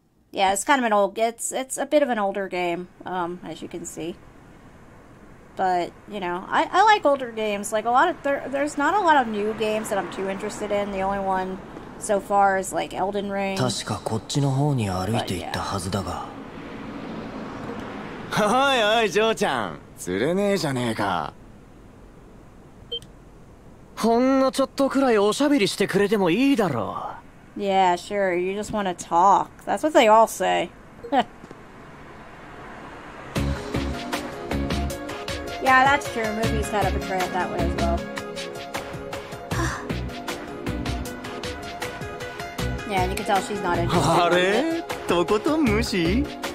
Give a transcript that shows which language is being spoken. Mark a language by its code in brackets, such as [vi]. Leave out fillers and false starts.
[en] Yeah, it's kind of an old, it's a bit of an older game, as you can see. But, you know, I like older games. Like, a lot of, there's not a lot of new games that I'm too interested in. The only one so far is, like, Elden Ring. [ja] 確かこっちの方に歩いて行ったはずだが。おいおい、ジョーちゃん。釣れねえじゃねえか。ほんのちょっとくらいおしゃべりしてくれてもいいだろう。 [en] Yeah, sure. You just want to talk. That's what they all say. Yeah, that's true. Movies set up a trail that way as well. Yeah, you can tell she's not interested.